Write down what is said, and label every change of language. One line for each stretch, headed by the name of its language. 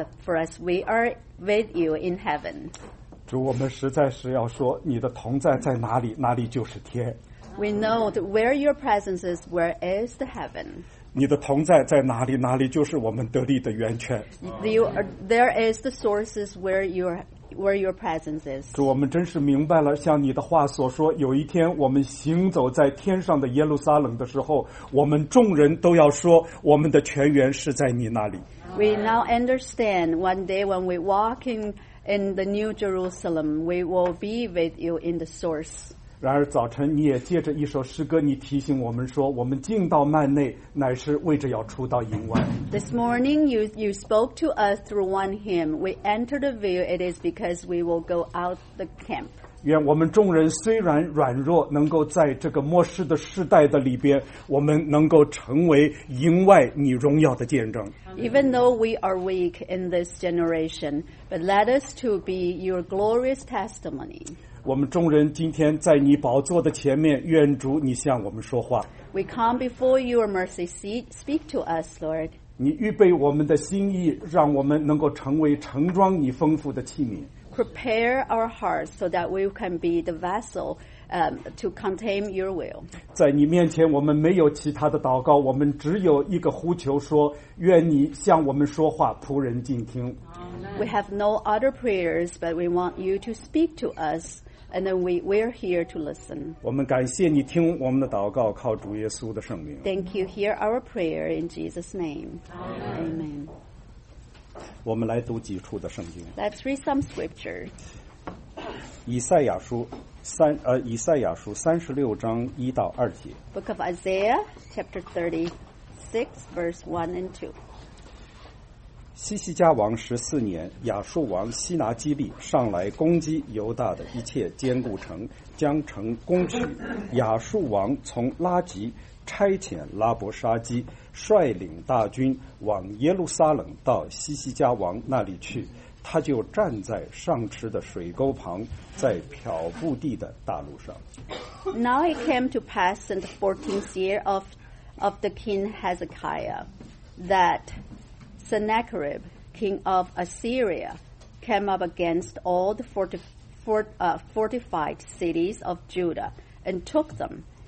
English: For us, we are with you in heaven.
Chinese: 主，我们实在是要说，你的同在在哪里，哪里就是天。
English: We know that where your presence is, where is the heaven.
Chinese: 你的同在在哪里，哪里就是我们得力的源泉。
English: There is the sources where your presence is.
Chinese: 主，我们真是明白了，像你的话所说，有一天我们行走在天上的耶路撒冷的时候，我们众人都要说，我们的全源是在你那里。
English: We now understand one day when we walk in the New Jerusalem, we will be with you in the source.
Chinese: 然而早晨你也借着一首诗歌，你提醒我们说，我们进到幔内乃是为着要出到营外。
English: This morning you spoke to us through one hymn. We enter the veil, it is because we will go out the camp.
Chinese: 愿我们众人虽然软弱，能够在这个末世的世代的里边，我们能够成为营外你荣耀的见证。
English: Even though we are weak in this generation, but let us to be your glorious testimony.
Chinese: 我们众人今天在你宝座的前面，愿主你向我们说话。
English: We come before your mercy seat, speak to us, Lord.
Chinese: 你预备我们的心意，让我们能够成为盛装你丰富的器皿。
English: Prepare our hearts so that we can be the vessel, to contain your will.
Chinese: 在你面前，我们没有其他的祷告，我们只有一个呼求，说愿你向我们说话，仆人静听。
English: We have no other prayers, but we want you to speak to us. And then we are here to listen.
Chinese: 我们感谢你听我们的祷告，靠主耶稣的圣名。
English: Thank you. Hear our prayer in Jesus' name. Amen. Amen.
Chinese: 我们来读几处的圣经。
English: Let's read some scripture.
Chinese: 以赛亚书36:1-2.
English: Book of Isaiah, chapter 36, verse 1 and 2.
Chinese: 西西家王14年，亚述王希拿基利上来攻击犹大的一切坚固城，将城攻取。亚述王从拉吉差遣拉伯沙基率领大军往耶路撒冷到西西家王那里去，他就站在上池的水沟旁，在漂布地的大路上。
English: Now it came to pass in the 14th year of the king Hezekiah that. Sennacherib, king of Assyria, came up against all the fortified cities of Judah and took them.